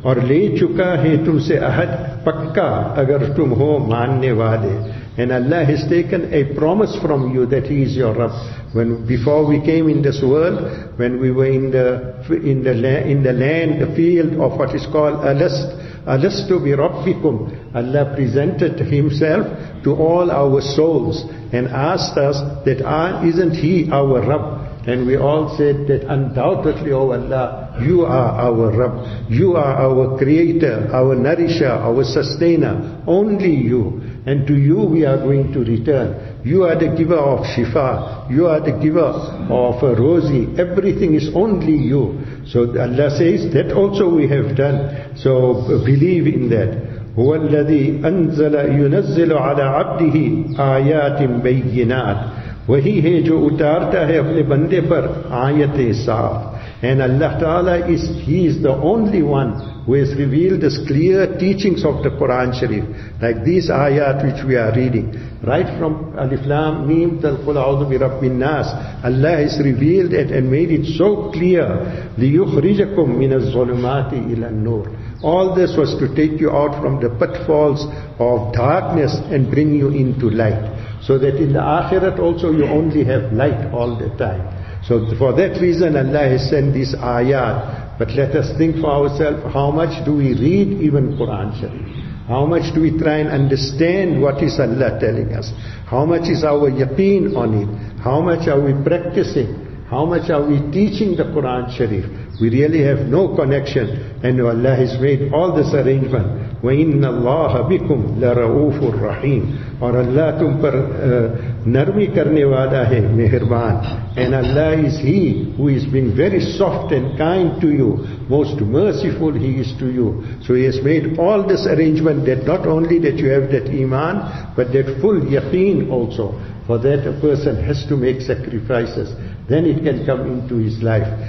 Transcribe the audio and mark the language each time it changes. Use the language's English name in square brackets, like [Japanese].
[Urdu] اور لے چکا ہے تم سے عہد پکا اگر تم ہو ماننے والے. [English] And Allah has taken a promise from you that He is your Rabb. When before we came in this world, when we were in the land, the field of what is called [Arabic] Alastu bi Rabbikum, [English] Allah presented Himself to all our souls and asked us that isn't He our Rabb? And we all said that undoubtedly, O Allah, You are our Rabb. You are our Creator, our Nourisher, our Sustainer. Only You. And to You we are going to return. You are the giver of shifa. You are the giver of rosy. Everything is only You. So Allah says, that also we have done. So believe in that. [Arabic] هُوَ الَّذِي أَنزَلَ يُنَزِّلُ عَلَىٰ عَبْدِهِ آيَاتٍ بَيِّنَاتٍ. [Urdu] وہی ہے جو اتارتا ہے اپنے بندے پر آیتیں صاف. [English] And Allah Ta'ala is, He is the only one who has revealed this clear teachings of the Quran Sharif, like these ayat which we are reading. Right from Alif Lam Mim Tal Qul A'udhu Bi Rabbin Nas, Allah has revealed it and made it so clear. [Arabic] لِيُخْرِجَكُمْ مِنَ الظُّلُمَاتِ إِلَى النُّورِ. [English] All this was to take you out from the pitfalls of darkness and bring you into light. So that in the akhirat also you only have light all the time. So for that reason Allah has sent this ayat. But let us think for ourselves, how much do we read even Quran Sharif? How much do we try and understand what is Allah telling us? How much is our yaqeen on it? How much are we practicing? How much are we teaching the Quran Sharif? We really have no connection. And Allah has made all this arrangement. [Arabic] وَإِنَّ اللَّهَ بِكُمْ لَرَعُوفُ الرَّحِيمُ. [Urdu] اور اللہ تم پر نرمی کرنے والا ہے مہربان. [English] And Allah is He who is being very soft and kind to you. Most merciful He is to you. So He has made all this arrangement that not only that you have that iman, but that full yaqeen also. For that a person has to make sacrifices. Then it can come into his life.